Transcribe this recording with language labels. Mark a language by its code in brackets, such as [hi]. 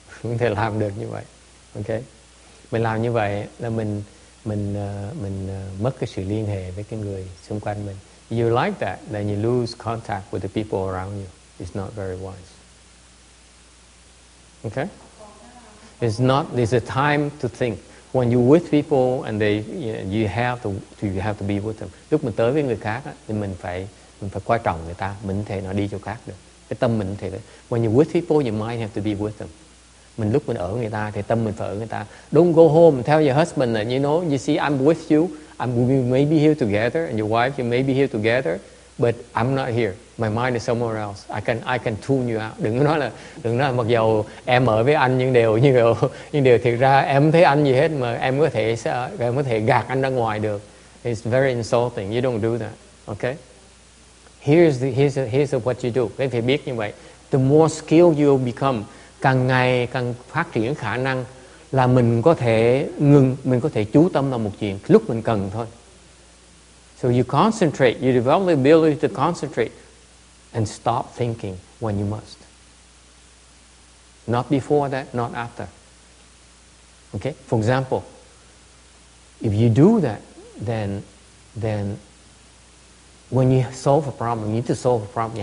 [vi] Không thể làm được như vậy. Okay? Mình làm như vậy là mình mất cái sự liên hệ với cái người xung quanh mình. [en] You like that, then you lose contact with the people around you. It's not very wise. Okay? It's not, there's a time to think. When you're with people and they, you have to be with them. [vi] Lúc mình tới với người khác thì mình phải quan trọng người ta, mình thể nó đi cho khác được. Cái tâm mình thể. [en] When you're with people, you might have to be with them. [vi] Mình lúc mình ở người ta thì tâm mình phải ở người ta. [en] Don't go home and tell your husband that, you know, you see, I'm with you. We may be here together and your wife, you may be here together, but I'm not here. My mind is somewhere else. I can tune you out. [vi] Đừng nói là mặc dù em ở với anh nhưng điều thực ra em thấy anh gì hết mà em có thể gạt anh ra ngoài được. [en] It's very insulting. You don't do that. Okay? Here's what you do. [vi] Các thầy biết như vậy. [en] The more skilled you become, [vi] càng ngày càng phát triển khả năng là mình có thể ngừng, mình có thể chú tâm vào một chuyện lúc mình cần thôi. [en] So you concentrate, you develop the ability to concentrate and stop thinking when you must. Not before that, not after. Okay? For example, if you do that, then when you solve a problem, you need to solve a problem.